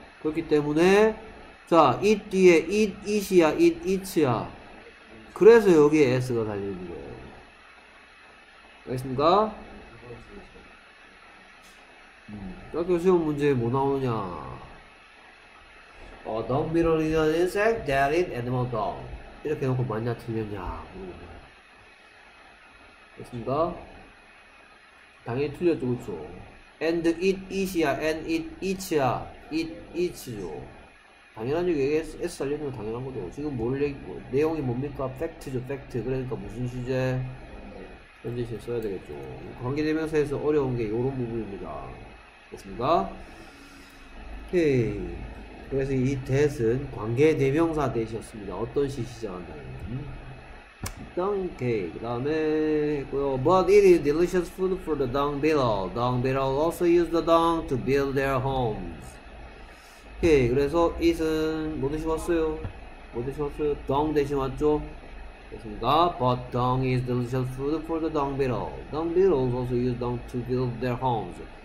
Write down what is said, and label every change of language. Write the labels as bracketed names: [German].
[Korean] 그렇기 때문에, 자, it 뒤에 it이야, it's야. 그래서 여기에 s가 달려있는 거예요. 알겠습니까? 학교 수업 문제에 뭐 나오냐? [English] A dung beetle is an insect that eats animal dung. [Korean] 이렇게 해놓고 맞냐 틀렸냐 알겠습니까? 당연히 틀렸죠, 그쵸? [English] And it is야, and it is야, it is죠. [Korean] 당연한 얘기, S 달려있는 건 당연한 거죠. 지금 뭘 얘기, 뭐, 내용이 뭡니까? Fact죠, fact. 그러니까 무슨 시제? 현재시 써야 되겠죠. 관계대명사에서 어려운 게 이런 부분입니다. 그렇습니까? 오케이. 그래서 이 that은 관계대명사 that이었습니다. 어떤 시 시작한다면. 오케이. 그 다음에 했고요. [English] But it is delicious food for the dung beetle. Dung beetle also use the dung to build their homes. [Korean] 오케이. 그래서 it은 뭐 대신 왔어요? 뭐 대신 왔어요? dung 대신 왔죠? 그렇습니까? [English] But dung is delicious food for the dung beetle. Dung beetles also use dung to build their homes.